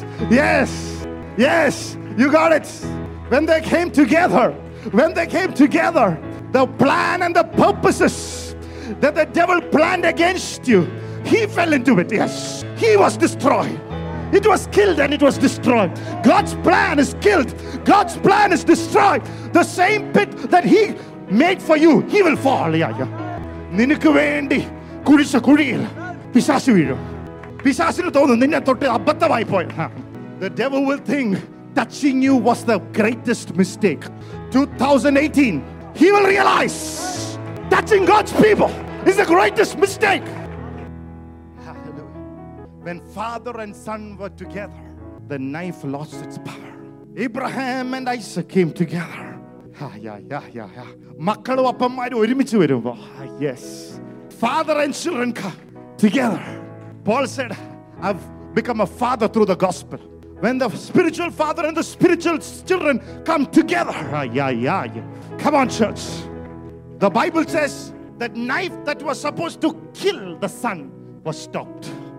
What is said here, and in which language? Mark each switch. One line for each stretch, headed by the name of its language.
English: Yes. You got it. When they came together, the plan and the purposes that the devil planned against you, he fell into it. Yes. He was destroyed. It was killed and it was destroyed. God's plan is killed. God's plan is destroyed. The same pit that he made for you, he will fall. Yeah.
Malayalam: നിനക്ക് വേണ്ടി കുഴിച്ച കുഴിയിൽ പിശാസ് വീഴും. പിശാസിന് തോന്നും നിന്നെ തൊട്ട് അബദ്ധമായി പോയ.
English: The devil will think touching you was the greatest mistake. 2018, he will realize touching God's people is the greatest mistake. Hallelujah. When father and son were together, the knife lost its power. Abraham and Isaac came together. Yeah.
Malayalam: മക്കളും അപ്പന്മാരും ഒരുമിച്ച് വരുമ്പോ,
English: yes, father and children come together. Paul said, I've become a father through the gospel. When the spiritual father and the spiritual children come together, yeah. Come on, church. The Bible says that knife that was supposed to kill the son was stopped.